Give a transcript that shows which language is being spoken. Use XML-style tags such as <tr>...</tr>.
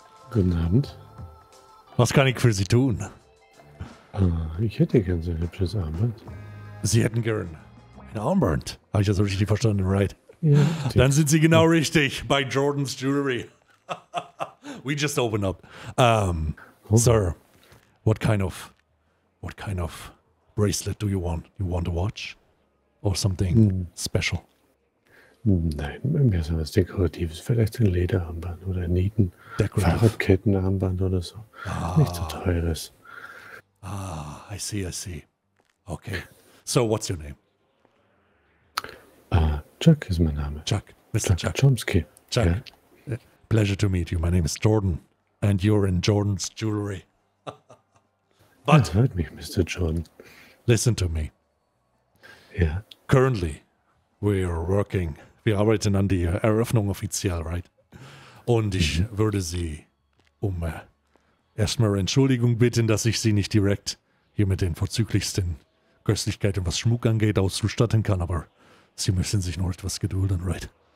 <de>Guten Abend. Was kann ich für Sie tun? Ich hätte gern so ein hübsches Armband. Sie hätten gern ein Armband? Habe ich das richtig verstanden, right? Ja, dann sind sie genau richtig bei Jordan's Jewelry.</de> <en>We just opened up. Sir, what kind of bracelet do you want? You want a watch? Or something special?</en> <de>Nein, mehr so was Dekoratives. Vielleicht ein Lederarmband oder ein Nieten. Decorative. Fahrradkettenarmband oder so. Ah. Nicht so teures.</de> <en>I see. Okay. So, what's your name?</en> <de>Chuck ist mein Name.</de> <en>Chuck. Mr. Chuck. Chomsky. Chuck.</en> <de>Ja.</de> <en>Pleasure to meet you. My name is Jordan. And you're in Jordan's Jewelry. But</en> <de>ja, hört mich, Mr. Jordan.</de> <en>Listen to me.</en> <de>Ja.</de> <en>Currently, we are working.</en> <de>Wir arbeiten an der Eröffnung offiziell, right? Und ich würde Sie um erstmal Entschuldigung bitten, dass ich Sie nicht direkt hier mit den vorzüglichsten Köstlichkeiten, was Schmuck angeht, auszustatten kann, aber Sie müssen sich noch etwas gedulden, right?</de>